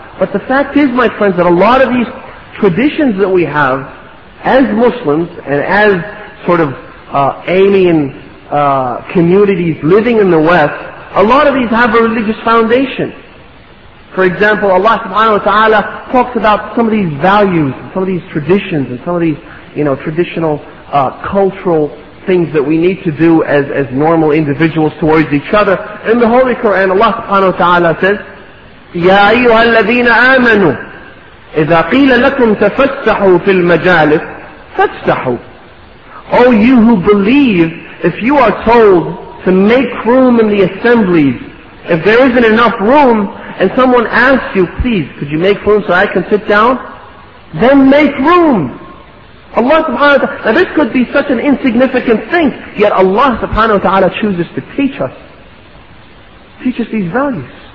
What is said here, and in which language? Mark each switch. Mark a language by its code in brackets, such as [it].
[en] But the fact is, my friends, that a lot of these traditions that we have as Muslims and as sort of alien communities living in the West, a lot of these have a religious foundation. For example, Allah subhanahu wa ta'ala talks about some of these values, some of these traditions, and some of these, you know, traditional cultural things that we need to do as normal individuals towards each other. In the Holy Quran, Allah subhanahu wa ta'ala says, [ar] يَا أَيُّهَا الَّذِينَ آمَنُوا إِذَا قِيلَ لَكُمْ تَفَسَّحُوا فِي الْمَجَالِسِ فَسَّحُوا. [en] O you who believe, if you are told to make room in the assemblies, if there isn't enough room, and someone asks you, please, could you make room so I can sit down? Then make room. Allah subhanahu wa ta'ala, now this could be such an insignificant thing, yet Allah subhanahu wa ta'ala chooses to teach us these values.